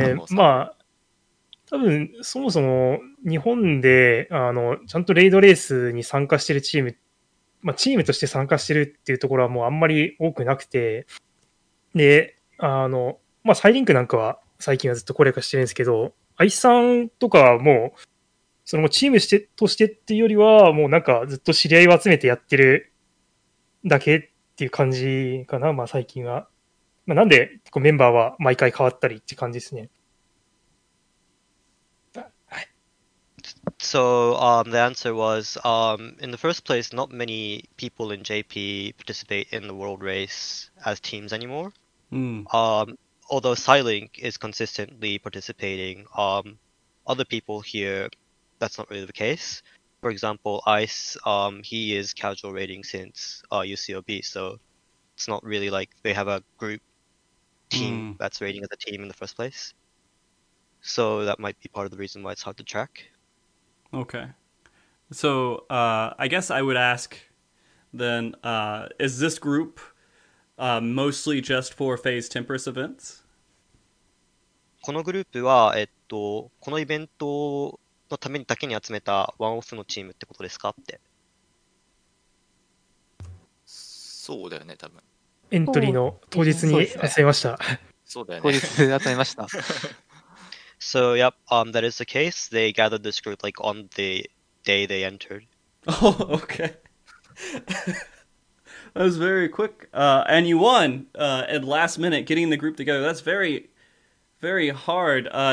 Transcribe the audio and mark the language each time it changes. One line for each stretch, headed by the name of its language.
Japanese: まあ、多分そもそも日本でちゃんとレイドレースに参加してるチーム、まあ、チームとして参加してるっていうところはもうあんまり多くなくて、で、まあ、サイリンクなんかは最近はずっと高齢化してるんですけど、アイさんとかはもう、そのチームしてとしてっていうよりは、もうなんかずっと知り合いを集めてやってるだけっていう感じかな、まあ、最近は。まあ、なんでメンバーは毎回変わったりって感じですね。
English: So, the answer was, in the first place, not many people in JP participate in the world race as teams anymore. Although Psylink is consistently participating, other people here, that's not really the case. For example, Ice, he is casual raiding since UCOB, so it's not really like they have a group team that's raiding as a team in the first place. So that might be part of the reason why it's hard to track. Okay. So I guess I would ask then, is this group mostly just for FaZe Tempest events?
Japanese: このグループは、このイベントのためにだけに集めたワンオフのチームってことですかって。そうだよね、多分。エントリーの当日に集めました。そうだよね。当日集めました。
English: So, yep, that is the case. They gathered this group, like, on the day they entered. Oh, okay. That was very quick. And you won at last minute, getting the group together. That's very, very hard.